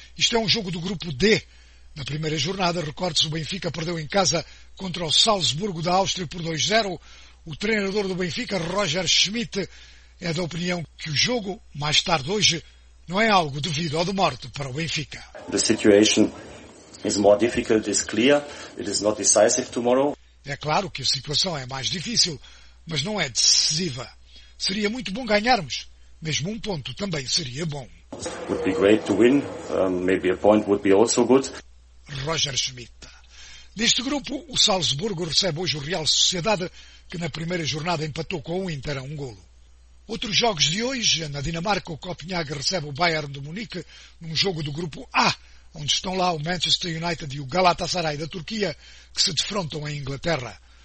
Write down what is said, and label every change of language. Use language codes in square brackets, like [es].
[pt] Isto é um jogo do Grupo D. Na primeira jornada, recorde-se, o Benfica perdeu em casa contra o Salzburgo da Áustria por 2-0. O treinador do Benfica, Roger Schmidt, é da opinião que o jogo, mais tarde hoje, não é algo de vida ou de morte para o Benfica. [en] The situation is more difficult, it's clear, it is not decisive tomorrow. [pt] É claro que a situação é mais difícil, mas não é decisiva. Seria muito bom ganharmos, mesmo um ponto também seria bom. [en] Would be great to win, maybe a point would be also good. [pt] Roger Schmidt. Neste grupo, o Salzburgo recebe hoje o Real Sociedade, que na primeira jornada empatou com o Inter a um golo. Outros jogos de hoje, na Dinamarca, o Copenhague recebe o Bayern de Munique num jogo do Grupo A, onde estão lá o Manchester United e o Galatasaray da Turquia, que se defrontam em Inglaterra.